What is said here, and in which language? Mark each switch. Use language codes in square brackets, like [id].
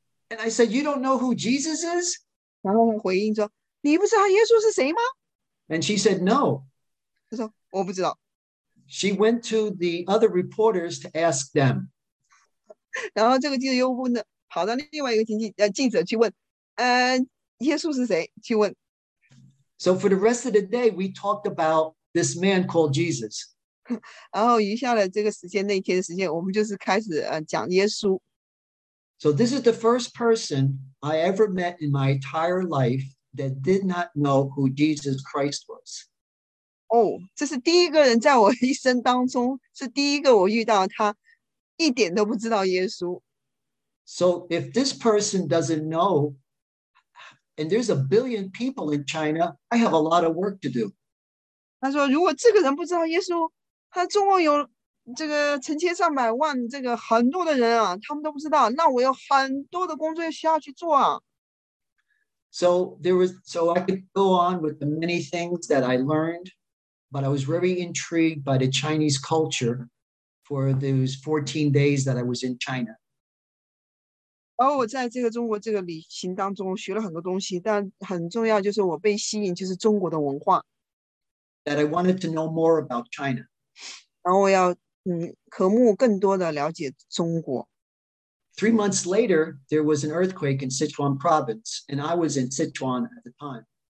[en] And I said, you don't know who Jesus is? [zh] 然后她回应说, 你不知道耶稣是谁吗? [en] And she said, no. [zh] 她说, [en] she went to the other reporters to ask them. [zh] 然后这个记者又问了, 跑到另外一个记者去问, 耶稣是谁?去问。 [en] So for the rest of the day, we talked about this man called Jesus. [zh] 然后余下的这个时间, 那天的时间, 我们就是开始, 讲耶稣。 [en] So this is the first person I ever met in my entire life that did not know who Jesus Christ was. [zh] Oh, 这是第一个人在我一生当中, 是第一个我遇到他, 一点都不知道耶稣。 [en] So if this person doesn't know, and there's a billion people in China, I have a lot of work to do. [zh] 他说如果这个人不知道耶稣, 他中国有 这个成千上百万，这个很多的人啊，他们都不知道。那我有很多的工作需要去做啊。 [en] So I could go on with the many things that I learned, but I was very intrigued by the Chinese culture for those 14 days that I was in China. [zh] 而我在这个中国这个旅行当中学了很多东西，但很重要就是我被吸引就是中国的文化。 [en] That I wanted to know more about China. [zh] 然后我要 渴慕更多的了解中国。 [en] 3 months later, there was an earthquake in Sichuan province, and I was in Sichuan at the time.